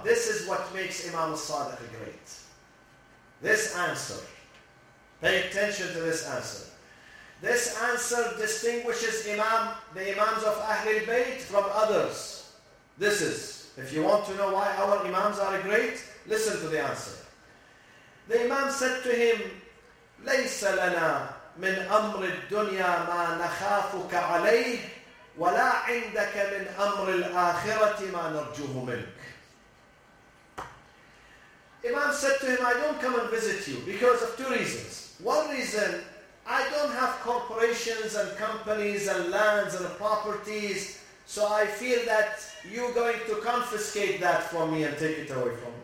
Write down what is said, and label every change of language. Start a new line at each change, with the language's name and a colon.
English: This is what makes Imam al-Sadiq great. This answer. Pay attention to this answer. This answer distinguishes the Imams of Ahlul Bayt from others. This is, if you want to know why our Imams are great, listen to the answer. The Imam said to him,
Arabic: لَيْسَ لَنَا مِنْ أَمْرِ الدُّنْيَا مَا نَخَافُكَ عَلَيْهِ وَلَا عِنْدَكَ مِنْ أَمْرِ الْآخِرَةِ مَا نَرْجُوهُ مِنْكَ.
English: Imam said to him, I don't come and visit you because of two reasons. One reason, I don't have corporations and companies and lands and properties, so I fear that you're going to confiscate that from me and take it away from me.